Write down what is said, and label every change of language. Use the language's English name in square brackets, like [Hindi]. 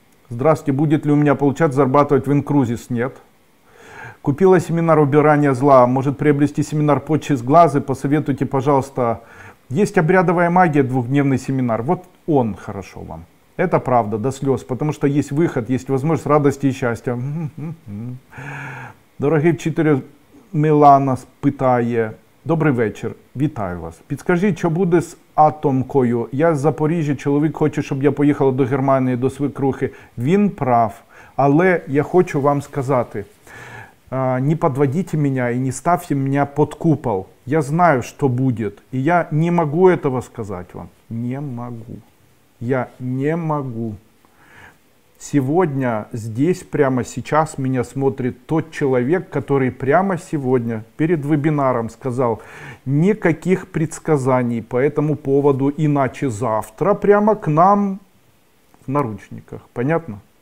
[Russian] Здравствуйте, будет ли у меня получаться зарабатывать в Инкрузис? Нет. Купила семинар убирания зла. Может приобрести семинар по через глазы? Посоветуйте, пожалуйста. Есть обрядовая магия, двухдневный семинар. Вот он хорошо вам. Это правда, до слез. Потому что есть выход, есть возможность радости и счастья. [Ukrainian] Дорогие вчителі, Милана питає. Добрий вечір, вітаю вас. Підскажіть, що буде з Атомкою? Я з Запоріжжя, чоловік хоче, щоб я поїхала до Германії, до свекрухи. Він прав, але я хочу вам сказати, не підводіть мене і не ставте мене під купол. Я знаю, що буде, і я не можу цього сказати вам. Не можу. Я не можу. [Russian] Сегодня здесь, прямо сейчас меня смотрит тот человек, который прямо сегодня перед вебинаром сказал: никаких предсказаний по этому поводу, иначе завтра прямо к нам в наручниках. Понятно?